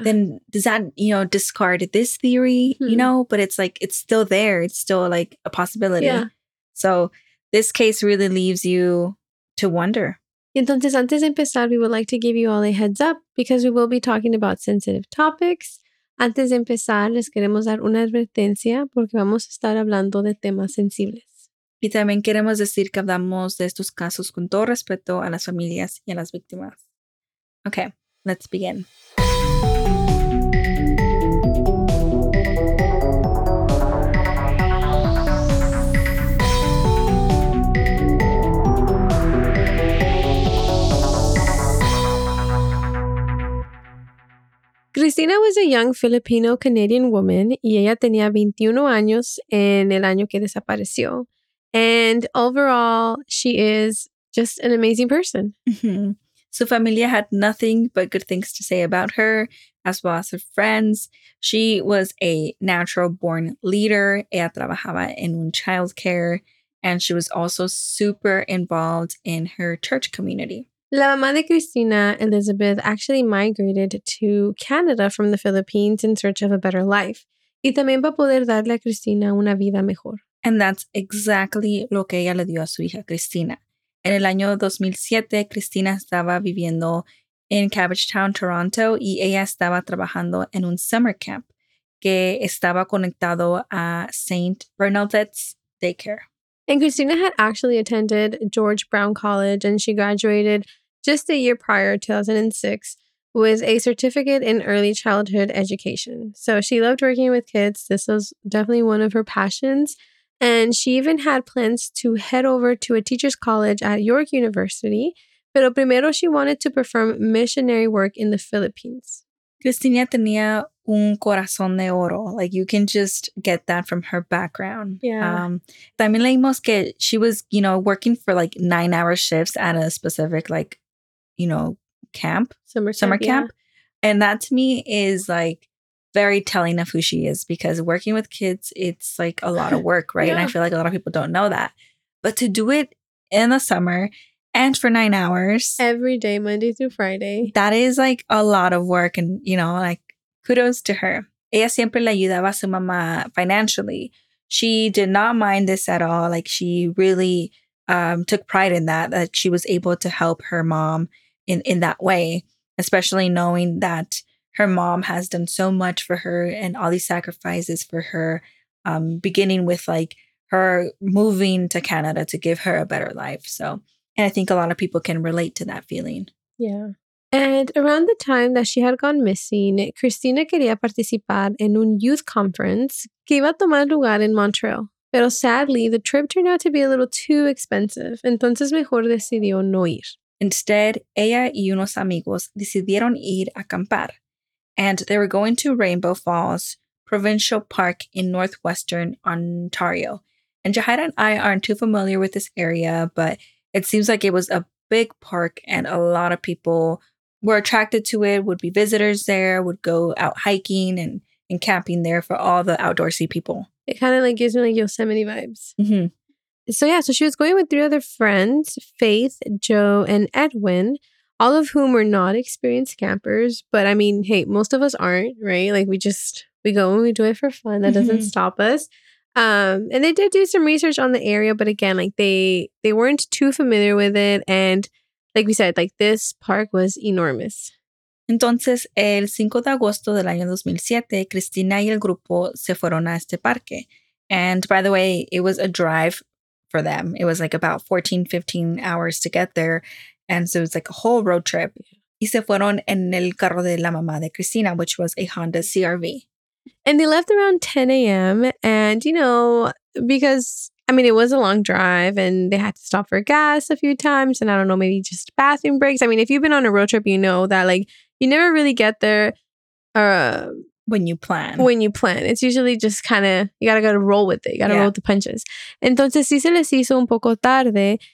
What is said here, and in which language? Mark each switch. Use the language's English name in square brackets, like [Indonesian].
[English] then does that, you know, discard this theory, mm-hmm. you know? But it's like, it's still there. It's still like a possibility. Yeah. So this case really leaves you to wonder. [Spanish] Entonces, antes de empezar, [English] we would like to give you all a heads up because we will be talking about sensitive topics. [Spanish] Antes de empezar, les queremos dar una advertencia porque vamos a estar hablando de temas sensibles. Y también queremos decir que hablamos de estos casos con todo respeto a las familias y a las víctimas. [English] Okay, let's begin. Cristina was a young Filipino-Canadian woman [Spanish] y ella tenía 21 años en el año que desapareció. [English] And overall, she is just an amazing person. Mm-hmm. [Spanish] Su familia [English] had nothing but good things to say about her, as well as her friends. She was a natural-born leader. [Spanish] Ella trabajaba en un [English] childcare. And she was also super involved in her church community. [Spanish] La mamá de Cristina, [English] Elizabeth, actually migrated to Canada from the Philippines in search of a better life. [Spanish] Y también para poder darle a Cristina una vida mejor. [English] And that's exactly [Spanish] lo que ella le dio a su hija, Cristina. En el año 2007, Cristina estaba viviendo en Cabbage Town, Toronto, y ella estaba trabajando en un summer camp que estaba conectado a St. Bernadette's Daycare. [English] And Cristina had actually attended George Brown College, and she graduated just a year prior, 2006, with a certificate in early childhood education. So she loved working with kids. This was definitely one of her passions. And she even had plans to head over to a teacher's college at York University, [Spanish] pero primero [English] she wanted to perform missionary work in the Philippines. [Spanish] Cristina tenía un corazón de oro. [English] Like, you can just get that from her background. Yeah. [Spanish] También leímos que [English] she was, you know, working for like 9-hour shifts at a specific, like, you know, camp. Summer camp. Yeah. And that to me is like very telling of who she is, because working with kids, it's like a lot of work, right? Yeah. And I feel like a lot of people don't know that. But to do it in the summer and for 9 hours. Every day, Monday through Friday. That is like a lot of work, and, you know, like, kudos to her. [Spanish] Ella siempre le ayudaba a su mamá [English] financially. She did not mind this at all. Like, she really took pride in that, that she was able to help her mom in that way, especially knowing that her mom has done so much for her and all these sacrifices for her, beginning with, like, her moving to Canada to give her a better life. So, and I think a lot of people can relate to that feeling. Yeah. And around the time that she had gone missing, [Spanish] Cristina quería participar en un [English] youth conference [Spanish] que iba a tomar lugar en Montreal. [English] Pero sadly, the trip turned out to be a little too expensive. [Spanish] Entonces mejor decidió no ir. Instead, ella y unos amigos decidieron ir a acampar. [English] And they were going to Rainbow Falls Provincial Park in northwestern Ontario. And Jahida and I aren't too familiar with this area, but it seems like it was a big park and a lot of people were attracted to it, would be visitors there, would go out hiking and camping there for all the outdoorsy people. It kind of like gives me like Yosemite vibes. Mm-hmm. So yeah, so she was going with three other friends, Faith, Joe, and Edwin, all of whom were not experienced campers. But I mean, hey, most of us aren't, right? Like, we go and we do it for fun. That doesn't stop us. And they did do some research on the area, but again, like, they weren't too familiar with it. And like we said, like, this park was enormous. [Spanish] Entonces, el 5 de agosto del año 2007, Cristina y el grupo se fueron a este parque. [English] And by the way, it was a drive for them. It was like about 14, 15 hours to get there. And so it was like a whole road trip. [Spanish] Y se fueron en el carro de la mamá de Cristina, [English] which was a Honda CR-V. And they left around 10 a.m. And, you know, because, I mean, it was a long drive and they had to stop for gas a few times. And I don't know, maybe just bathroom breaks. I mean, if you've been on a road trip, you know that, like, you never really get there when you plan. It's usually just kind of, you gotta roll with it. You gotta roll with the punches. [Spanish] Entonces, si se les hizo un poco tarde.